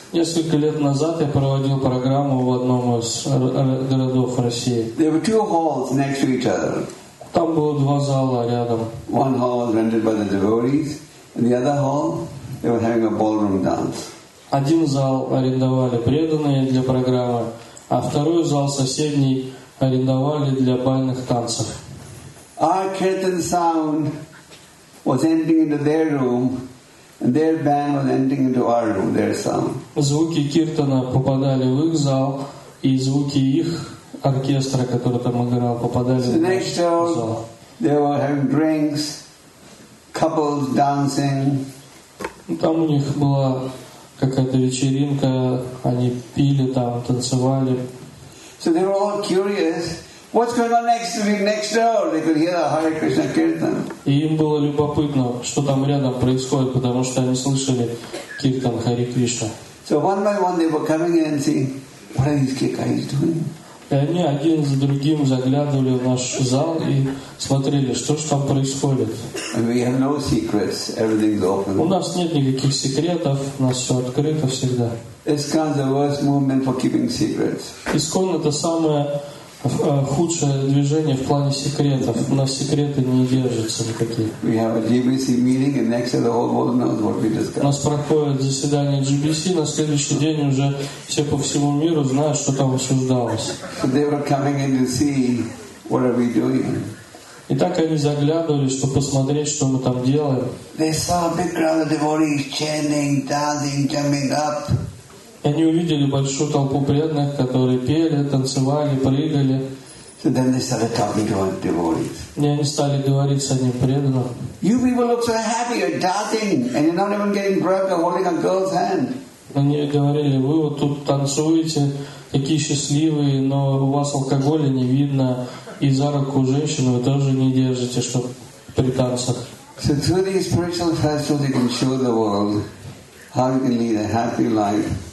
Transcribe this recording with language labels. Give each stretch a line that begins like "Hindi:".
Russian: Несколько лет назад я проводил программу в одном из городов России.
English: There were two halls next to each other.
Russian: Там было два зала рядом.
English: One hall was rented by the devotees, and the other hall they were having a ballroom dance.
Russian: Один зал арендовали преданные для программы, а второй зал соседний арендовали для бальных танцев.
English: Our kirtan sound was entering into their room. And their band was entering into our room, their sound.
Russian: Звуки киртана попадали в их зал, и звуки их оркестра, который там играл, попадали в зал.
English: So next door, they were having drinks, couples dancing.
Russian: Там у них была какая-то вечеринка, они пили там, танцевали.
English: So they were all curious. What's going on next week? Next door, they could hear the Hare Krishna kirtan.
Russian: И им было любопытно, что там рядом происходит, потому что они слышали киртан Хари Кришна.
English: So one by one they were coming in and saying, "What are these guys doing?"
Russian: И они один за другим заглядывали в наш зал и смотрели, что ж там происходит.
English: And we have no secrets. Everything's open.
Russian: У нас нет никаких секретов. У нас все открыто всегда.
English: ISKCON is the worst movement for keeping secrets.
Russian: ISKCON это самое худшее движение в плане секретов. У нас секреты не держатся никакие.
English: We have a GBC meeting and next day the whole world knows what we discussed.
Russian: У нас проходит заседание GBC, на следующий день уже все по всему миру знают, что там обсуждалось.
English: So they were coming in to see what are we doing.
Russian: И так они заглядывали, чтобы посмотреть, что мы там делаем.
English: They saw a big crowd of devotees chanting, dancing, jumping up.
Russian: Они увидели большую толпу преданных, которые пели, танцевали, прыгали.
English: So then they started talking to our devotees.
Russian: И они стали говорить с одним преданным.
English: You people look so happy, you're dancing, and you're not even getting drunk or holding a girl's hand.
Russian: Они говорили, вы вот тут танцуете, такие счастливые, но у вас алкоголя не видно, и за руку женщину вы тоже не держите, чтобы при танцах.
English: So through these spiritual festivals you can show the world how you can lead a happy life.